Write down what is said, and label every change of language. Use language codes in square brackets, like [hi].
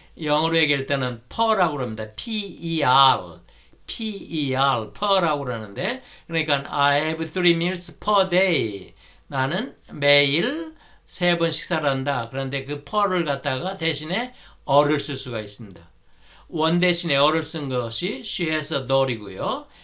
[ko] 영어로 얘기할 때는 per라고 합니다. [en] per, per, per [ko] 라고 그러는데, 그러니까 [en] I have 3 meals per day. [ko] 나는 매일 세번 식사를 한다. 그런데 그 per를 갖다가 대신에 or을 쓸 수가 있습니다. 원 대신에 or을 쓴 것이 [en] she has a dog [ko] 이고요.